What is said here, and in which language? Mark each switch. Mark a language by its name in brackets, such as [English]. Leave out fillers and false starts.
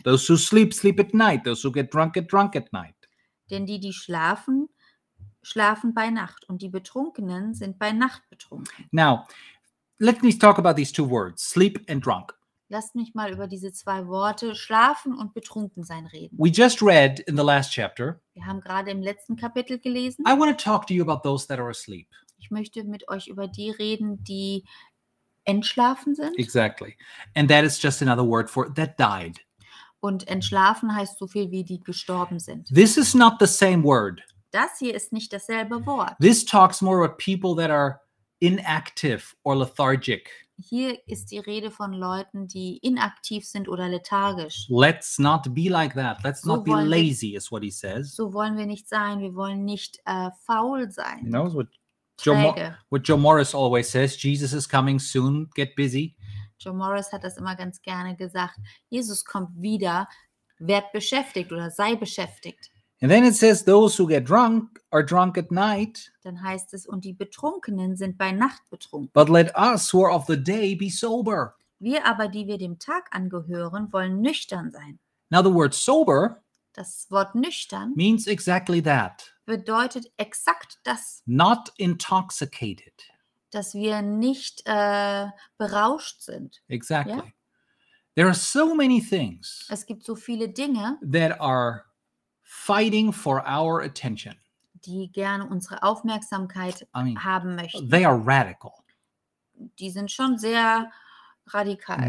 [English] Those who sleep, sleep at night. Those who get drunk at night. [German] Denn die, die schlafen, schlafen bei Nacht. Und die Betrunkenen sind bei Nacht betrunken. [English] Now, let me talk about these two words, sleep and drunk. [German] Lasst mich mal über diese zwei Worte, schlafen und betrunken sein, reden. [English] We just read in the last chapter. [German] Wir haben gerade im letzten Kapitel gelesen. [English] I want to talk to you about those that are asleep. [German] Ich möchte mit euch über die reden, die entschlafen sind. [English] Exactly. And that is just another word for that died. [German] Und entschlafen heißt so viel wie die gestorben sind. [English] This is not the same word. [German] Das hier ist nicht dasselbe Wort. [English] This talks more about people that are inactive or lethargic. [German] Hier ist die Rede von Leuten, die inaktiv sind oder lethargisch. [English] Let's not be like that. Let's not be lazy, is what he says. [German] So wollen wir nicht sein. Wir wollen nicht faul sein. [English] You know what Joe Morris always says, Jesus is coming soon, get busy. [German] Joe Morris hat das immer ganz gerne gesagt. Jesus kommt wieder, werd beschäftigt oder sei beschäftigt. [English] And then it says, those who get drunk are drunk at night. [German] Dann heißt es, und die Betrunkenen sind bei Nacht betrunken. [English] But let us who are of the day be sober. [German] Wir aber, die wir dem Tag angehören, wollen nüchtern sein. [English] Now the word sober, [German] das Wort nüchtern, [English] means exactly that. [German] Bedeutet exakt das. [English] Not intoxicated. [German] Dass wir nicht berauscht sind. [English] Exactly. Yeah? There are so many things. [German] Es gibt so viele Dinge. [English] That are fighting for our attention. [German] Die gerne unsere Aufmerksamkeit haben möchten. [English] They are radical. [German] Die sind schon sehr radikal.